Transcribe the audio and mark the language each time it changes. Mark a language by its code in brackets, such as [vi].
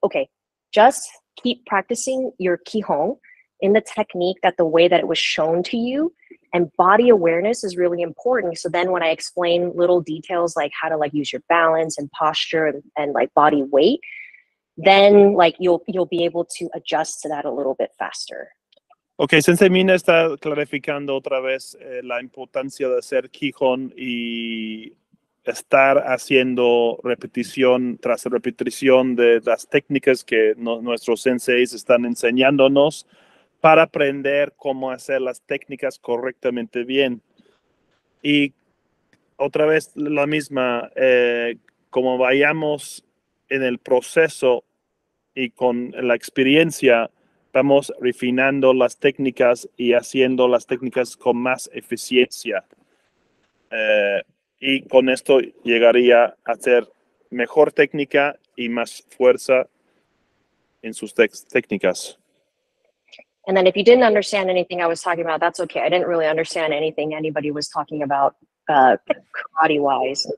[en] Okay, just keep practicing your Kihon in the technique that the way that it was shown to you, and body awareness is really important. So then when I explain little details, like how to like use your balance and posture and like body weight, then like you'll be able to adjust to that a little bit faster. [es] Okay, Sensei Mina está clarificando otra vez la importancia de hacer Kihon y estar haciendo repetición tras repetición de las técnicas que nuestros senseis están enseñándonos para aprender cómo hacer las técnicas correctamente bien. Y otra vez la misma, como vayamos en el proceso y con la experiencia, vamos refinando las técnicas y haciendo las técnicas con más eficiencia. Y con esto llegaría a hacer mejor técnica y más fuerza en sus técnicas. [en] And then if you didn't understand anything I was talking about, that's okay. I didn't really understand anything anybody was talking about karate-wise.